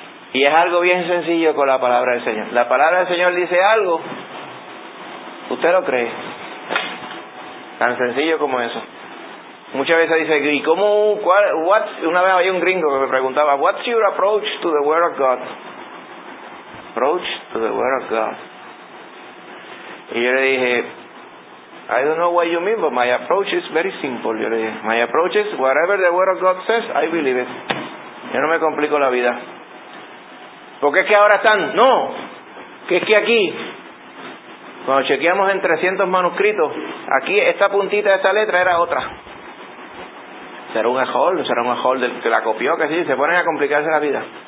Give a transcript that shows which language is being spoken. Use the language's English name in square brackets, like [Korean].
[Spanish] Y es algo bien sencillo con la Palabra del Señor. La Palabra del Señor dice algo, usted lo cree. Tan sencillo como eso. Muchas veces dice, ¿y cómo, cuál, what, una vez había un gringo que me preguntaba, [English] what's your approach to the Word of God? Approach to the Word of God. [Spanish] Y yo le dije, [English] I don't know what you mean, but my approach is very simple. [Spanish] Yo le dije, [English] my approach is whatever the Word of God says, I believe it. [Spanish] Yo no me complico la vida. Porque es que ahora están, no, que es que aquí, cuando chequeamos en 300 manuscritos, aquí esta puntita de esta letra era otra. Será un hall del que la copió, que sí, se ponen a complicarse la vida.